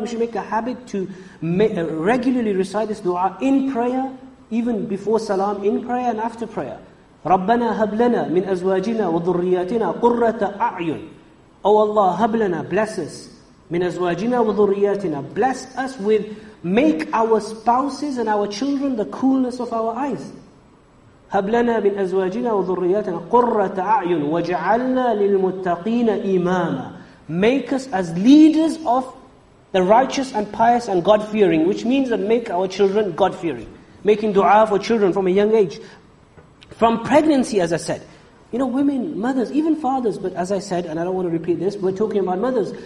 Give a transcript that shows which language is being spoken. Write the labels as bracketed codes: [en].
[en] We should make a habit to regularly recite this dua in prayer, even before salam, in prayer and after prayer. [ar] رَبَّنَا هَبْلَنَا مِنْ أَزْوَاجِنَا وَذُرِّيَّتِنَا قُرَّةَ أَعْيُنْ. [en] Oh Allah, [ar] هَبْلَنَا, [en] bless us. [ar] مِنْ أَزْوَاجِنَا وَذُرِّيَّتِنَا, [en] bless us with, make our spouses and our children the coolness of our eyes. [ar] هبلنا من أزواجنا وذرياتنا قرة أعين وجعلنا للمتقين إماما. [en] Make us as leaders of the righteous and pious and God fearing, which means that make our children God fearing. Making dua for children from a young age, from pregnancy, as I said. You know, women, mothers, even fathers, but as I said, and I don't want to repeat this, we're talking about mothers.